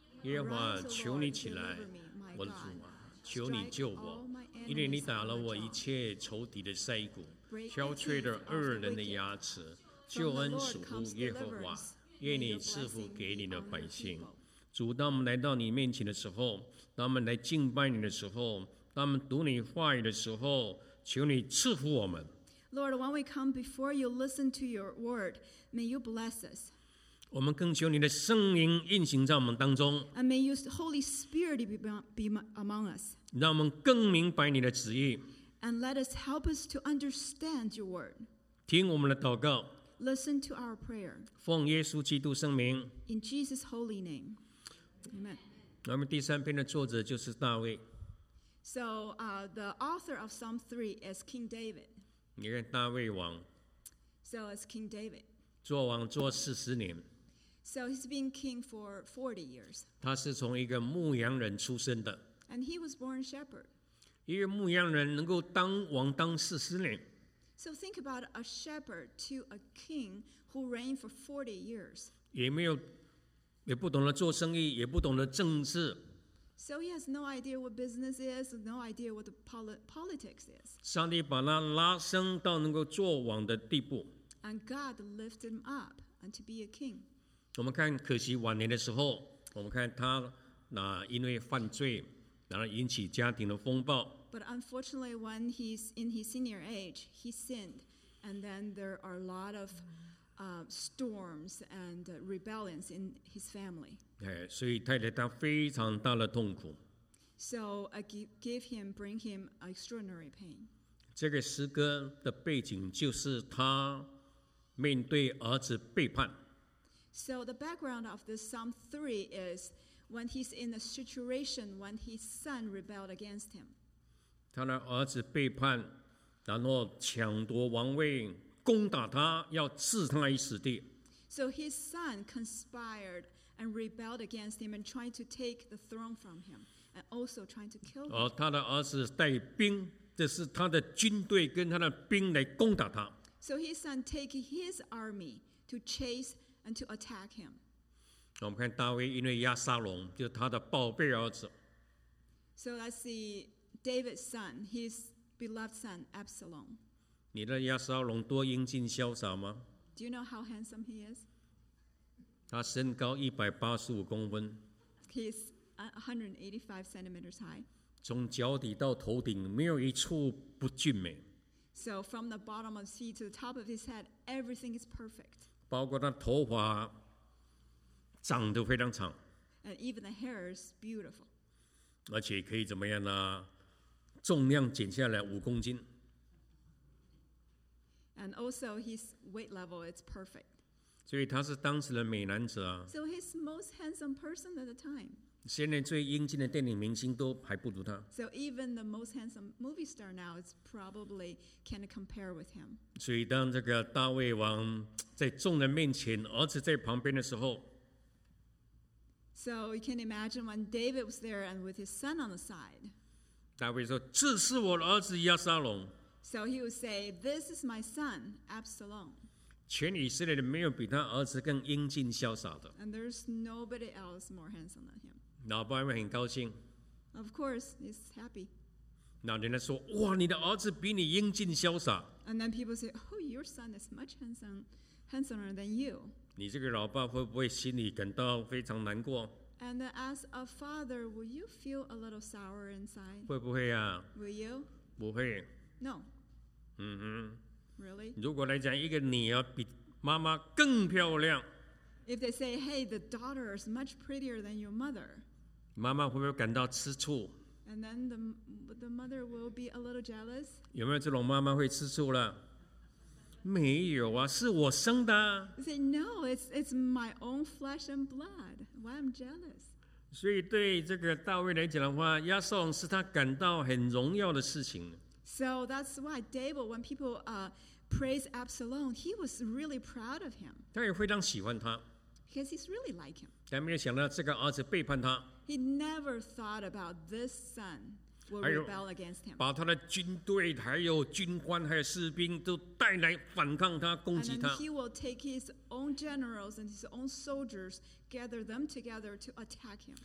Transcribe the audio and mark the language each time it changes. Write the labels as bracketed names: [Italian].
[Chinese] 耶和华，求你起来，我的主啊，求你救我，因为你打了我一切仇敌的腮骨，敲碎了恶人的牙齿。救恩属乎耶和华，愿你赐福给你的百姓。主，当我们来到你面前的时候，当我们来敬拜你的时候，当我们读你话语的时候，求你赐福我们。 [English] Lord, when we come before you, listen to your word, may you bless us. [Chinese] 我们更求你的圣灵运行在我们当中。 [English] And may your Holy Spirit be among us. [Chinese] 让我们更明白你的旨意。 [English] And let us help us to understand your word. [Chinese] 听我们的祷告。 [English] Listen to our prayer. [Chinese] 奉耶稣基督圣名。 [English] In Jesus' holy name. Amen. [Chinese] 那么第三篇的作者就是大卫。 [English] So the author of Psalm 3 is King David. [Chinese] 你看大卫王。 [English] So it's King David. [Chinese] 做王做四十年。 [English] So he's been king for 40 years. [Chinese] 他是从一个牧羊人出生的。 [English] And he was born shepherd. [Chinese] 一个牧羊人能够当王当四十年。 [English] So think about a shepherd to a king who reigned for 40 years. [Chinese] 也不懂得做生意，也不懂得政治。 [English] So he has no idea what business is, no idea what the politics is. [Chinese] 上帝把他拉升到能够做王的地步。 [English] And God lifted him up and to be a king. [Chinese] 我们看可惜晚年的时候，我们看他那因为犯罪。然后引起家庭的风暴。 [English] But unfortunately, when he's in his senior age, he sinned, and then there are a lot of storms and rebellions in his family. [Chinese] 所以带来他非常大的痛苦。 [English] So, bring him extraordinary pain. [Chinese] 这个诗歌的背景就是他面对儿子背叛。 [English] So the background of this Psalm 3 is when he's in a situation when his son rebelled against him. [Chinese] 他的儿子背叛，然后抢夺王位，攻打他，要置他于死地。 [English] So his son conspired and rebelled against him and tried to take the throne from him and also trying to kill him. [Chinese] 而他的儿子带兵，这是他的军队跟他的兵来攻打他。 [English] So his son take his army to chase and to attack him. [Chinese] 我们看大卫因为亚撒龙，就是他的宝贝儿子。 [English] So let's see David's son, his beloved son Absalom. [Chinese] 你的亚撒龙多英俊潇洒吗？ [English] Do you know how handsome he is? [Chinese] 他身高185公分。 [English] He's 185 centimeters high. [Chinese] 从脚底到头顶，没有一处不俊美。 [English] So from the bottom of his feet to the top of his head, everything is perfect. [Chinese] 包括他头发长得非常长。 [English] And even the hair is beautiful. [Chinese] 而且可以怎么样呢？重量减下来五公斤。 [English] And also his weight level is perfect. [Chinese] 所以他是当时的美男子啊。 [English] So he's the most handsome person at the time. [Chinese] 现在最英俊的电影明星都还不如他。 [English] So even the most handsome movie star now is probably can compare with him. [Chinese] 所以当这个大卫王在众人面前，儿子在旁边的时候。 [English] So you can imagine when David was there and with his son on the side. [Chinese] 大卫说：“这是我的儿子亚撒龙。” [English] So he would say, "This is my son, Absalom." [Chinese] 全以色列的没有比他儿子更英俊潇洒的。 [English] And there's nobody else more handsome than him. [Chinese] 那大卫很高兴。 [English] Of course, he's happy. [Chinese] 那人家说：“哇，你的儿子比你英俊潇洒。” [English] And then people say, "Oh, your son is much handsomer than you." [Chinese] 你这个老爸会不会心里感到非常难过？ [English] And as a father, will you feel a little sour inside? [Chinese] 会不会啊？ [English] Will you? [Chinese] 不会。 [English] No. 嗯哼。 Really? [Chinese] 如果来讲一个女儿比妈妈更漂亮。 [English] If they say, hey, the daughter is much prettier than your mother. [Chinese] 妈妈会不会感到吃醋？ [English] And then the mother will be a little jealous. [Chinese] 有没有这种妈妈会吃醋了？没有啊，是我生的。 [English] Say no, it's my own flesh and blood. Why I'm jealous? [Chinese] 所以对这个大卫来讲的话，亚撒龙是他感到很荣耀的事情。 [English] So that's why David, when people praise Absalom, he was really proud of him. [Chinese] 他也非常喜欢他。 [English] Because he's really like him. [Chinese] 但没有想到这个儿子背叛他。 [English] He never thought about this son. Will rebel against him. [Chinese] 把他的军队还有军官还有士兵都带来反抗他攻击他。 [English] And then he will take his own generals and his own soldiers, gather them together to attack him.